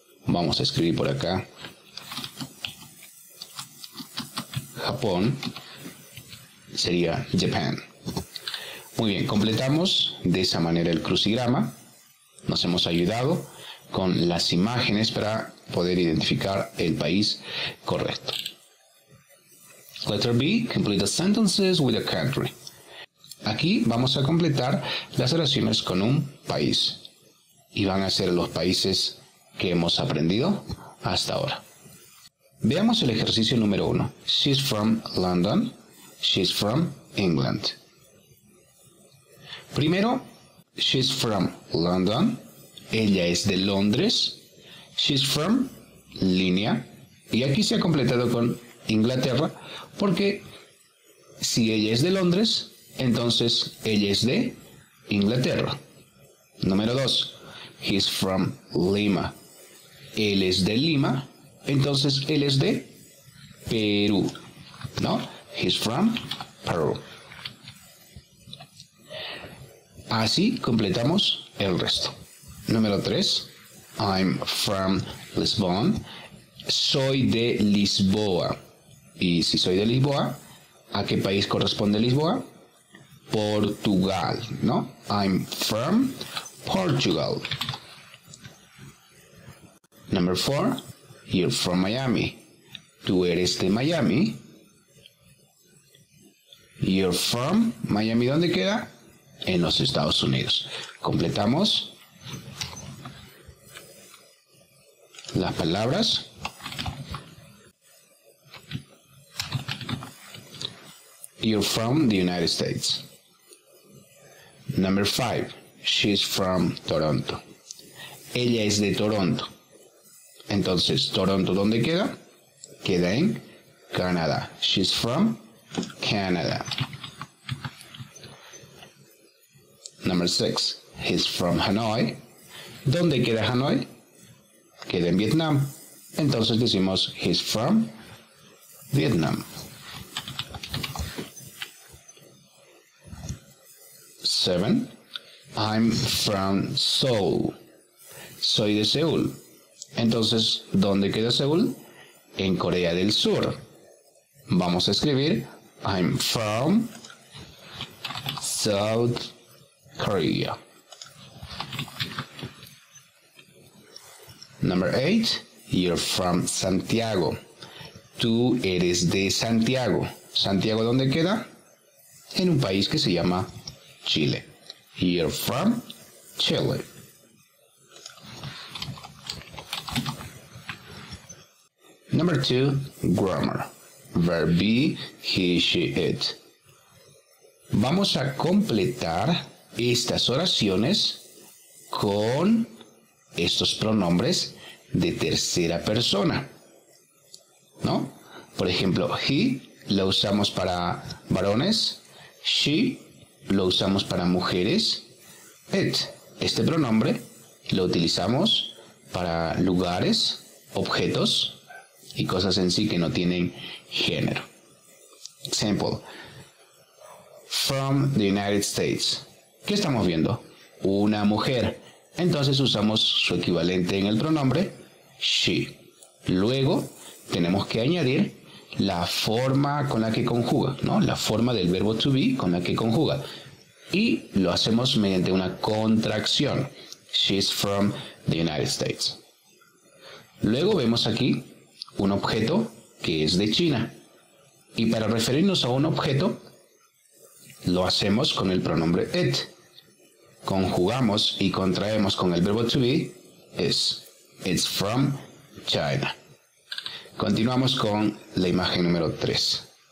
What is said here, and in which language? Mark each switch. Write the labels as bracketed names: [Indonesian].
[Spanish] Vamos a escribir por acá Japón. Sería Japan. Muy bien, completamos de esa manera el crucigrama. Nos hemos ayudado con las imágenes para poder identificar el país correcto. [English] Letter B, complete the sentences with a country. [Spanish] Aquí vamos a completar las oraciones con un país. Y van a ser los países que hemos aprendido hasta ahora. Veamos el ejercicio número 1. [English] She's from London. She's from England. Primero, she's from London. [Spanish] Ella es de Londres. [English] She's from, [Spanish] línea. Y aquí se ha completado con Inglaterra, porque si ella es de Londres, entonces ella es de Inglaterra. Número 2. [English] He's from Lima. [Spanish] Él es de Lima, entonces él es de Perú. ¿No? [English] He's from Peru. [Spanish] Así completamos el resto. Número 3. [English] I'm from Lisbon. [Spanish] Soy de Lisboa. Y si soy de Lisboa, ¿a qué país corresponde Lisboa? [English] Portugal, ¿no? I'm from Portugal. Number four, you're from Miami. [Spanish] Tú eres de Miami. [English] You're from Miami, [Spanish] ¿dónde queda? En los Estados Unidos. Completamos las palabras. [English] You're from the United States. Number five, she's from Toronto. [Spanish] Ella es de Toronto. Entonces, Toronto, ¿dónde queda? Queda en Canadá. [English] She's from Canada. Number six, he's from Hanoi. [Spanish] ¿Dónde queda Hanoi? Queda en Vietnam. Entonces decimos, [English] he's from Vietnam. Seven, I'm from Seoul. [Spanish] Soy de Seúl. Entonces, ¿dónde queda Seúl? En Corea del Sur. Vamos a escribir, [English] I'm from South Korea. Number eight, you're from Santiago. [Spanish] Tú eres de Santiago. ¿Santiago dónde queda? En un país que se llama Chile. [English] You're from Chile. Number two, grammar. Verb be, he, she, it. [Spanish] Vamos a completar estas oraciones con estos pronombres de tercera persona, ¿no? Por ejemplo, he lo usamos para varones, she lo usamos para mujeres, it, este pronombre lo utilizamos para lugares, objetos y cosas en sí que no tienen género. [English] Example, from the United States. [Spanish] ¿Qué estamos viendo? Una mujer. Entonces usamos su equivalente en el pronombre, she. Luego, tenemos que añadir la forma con la que conjuga, ¿no? La forma del verbo to be con la que conjuga. Y lo hacemos mediante una contracción. [English] She's from the United States. [Spanish] Luego vemos aquí un objeto que es de China. Y para referirnos a un objeto, lo hacemos con el pronombre it. Conjugamos y contraemos con el verbo to be, is. [English] It's from China. [Spanish] Continuamos con la imagen número 3.